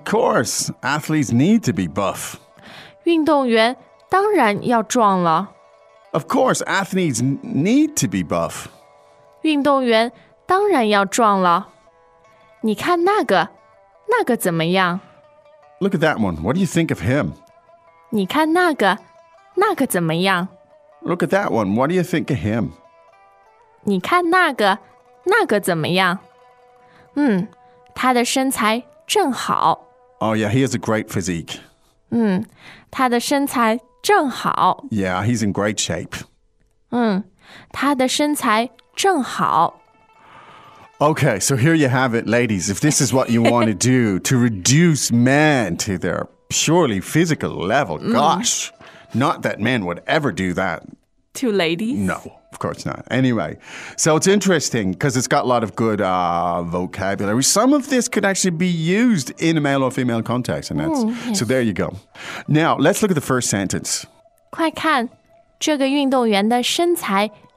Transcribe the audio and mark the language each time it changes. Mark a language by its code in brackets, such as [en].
[en] course, athletes need to be buff. [zh] 运动员当然要壮了。 [en] Of course, athletes need to be buff. [zh] 运动员当然要壮了。你看那个，那个怎么样? [en] Look at that one. What do you think of him? [zh] 你看那个，那个怎么样? [en] Look at that one. What do you think of him? [zh] 你看那个，那个怎么样？嗯，他的身材正好。 [en] Oh yeah, he has a great physique. [zh] 嗯，他的身材正好。 [en] Yeah, he's in great shape. [zh] 她的身材正好。 [en] Okay, so here you have it, ladies. If this is what you want to do, to reduce men to their purely physical level, gosh, not that men would ever do that. To ladies? No, of course not. Anyway, so it's interesting because it's got a lot of good vocabulary. Some of this could actually be used in a male or female context. And that's, so there you go. Now, let's look at the first sentence. [zh] 快看,这个运动员的身材